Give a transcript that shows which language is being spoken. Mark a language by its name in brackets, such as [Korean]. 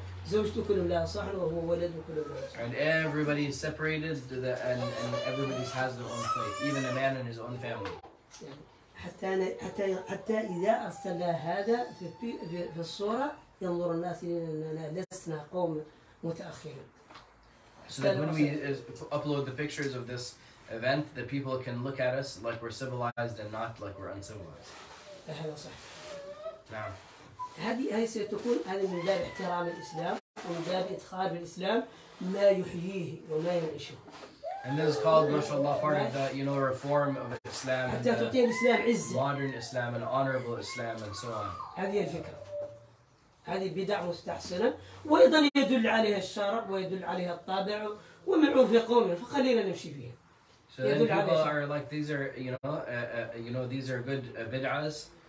[English] And everybody is separated, and everybody has their own plate, even a man and his own family. [Arabic] حتى إذا أرسل هذا في الصورة ينظر الناس لأننا لسنا قوم متأخرين. [English] So that when we upload the pictures of this event, the people can look at us like we're civilized and not like we're uncivilized. [Arabic] هذا صح. نعم. هذه ستكون من باب احترام الإسلام ومن باب إدخال الإسلام ما يحييه وما ينعشه. [English] And this is called, mashallah, part of the, you know, reform of Islam and modern Islam and honorable Islam and so on. [Arabic] هذه الفكرة. هذه بدع مستحسنة وأيضا يدل عليها الشرع ويدل عليها الطابع ومنعوا في قومه فخلينا نمشي فيها. [English] So then people are like, these are, you know, these are good bid'ahs.